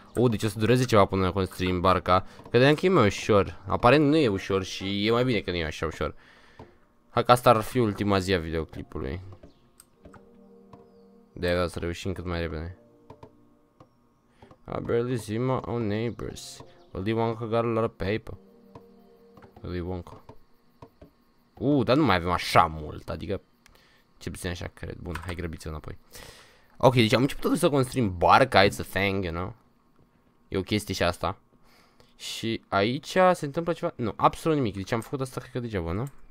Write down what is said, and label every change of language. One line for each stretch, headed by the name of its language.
Romanian: Deci o să dureze ceva până construim barca. Credeam că e mai ușor. Aparent nu e ușor și e mai bine că nu e așa ușor. Hai că asta ar fi ultima zi a videoclipului. De-aia să reușim cât mai repede.
English: I barely see my own neighbors. Willy Wonka got a lot of paper. Willy Wonka.
Romanian: Dar nu mai avem așa mult, adică ce puțin așa cred. Bun, hai grăbiți-o înapoi. Ok, deci am început să construim barca,
English: it's a thing, you know?
Romanian: E o chestie și asta. Și aici se întâmplă ceva? Nu, absolut nimic. Deci am făcut asta, cred că degeaba, nu?